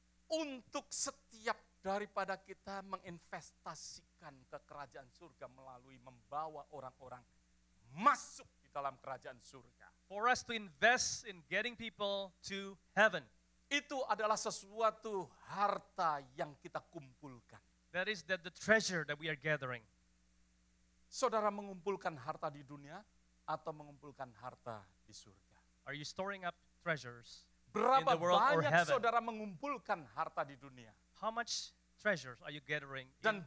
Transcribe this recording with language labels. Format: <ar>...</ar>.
<id>Untuk setiap daripada kita menginvestasikan ke kerajaan surga melalui membawa orang-orang masuk di dalam kerajaan surga.</id> <en>For us to invest in getting people to heaven.</en> <id>Itu adalah sesuatu harta yang kita kumpulkan.</id> <en>That is that the treasure that we are gathering.</en> <id>Saudara mengumpulkan harta di dunia atau mengumpulkan harta di surga?</id> <en>Are you storing up treasures?</en> <id>Berapa banyak saudara mengumpulkan harta di dunia?</id> <en>How much treasures are you gathering in the</en>